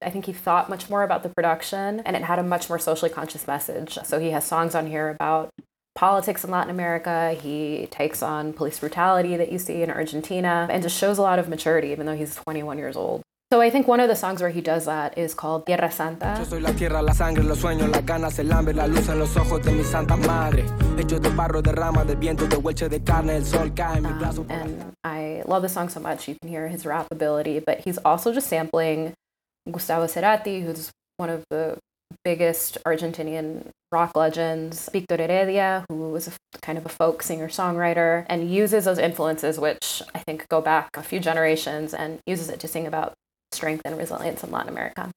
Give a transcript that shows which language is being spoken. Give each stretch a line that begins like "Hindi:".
English: I think he thought much more about the production and it had a much more socially conscious message. So he has songs on here about politics in Latin America. He takes on police brutality that you see in Argentina and just shows a lot of maturity, even though he's 21 years old. So I think one of the songs where he does that is called Tierra Santa.
Spanish: Yo soy la tierra, la sangre, los sueños, las ganas, el hambre, la luz en los ojos de mi santa madre. Hecho de barro, de rama, de viento, de hueche, de carne, el sol cae en mi brazo.
English: And I love the song so much. You can hear his rap ability, but he's also just sampling Gustavo Cerati, who's one of the biggest Argentinian rock legends, Victor Heredia, who was a kind of a folk singer-songwriter, and uses those influences, which I think go back a few generations, and uses it to sing about strength and resilience in Latin America.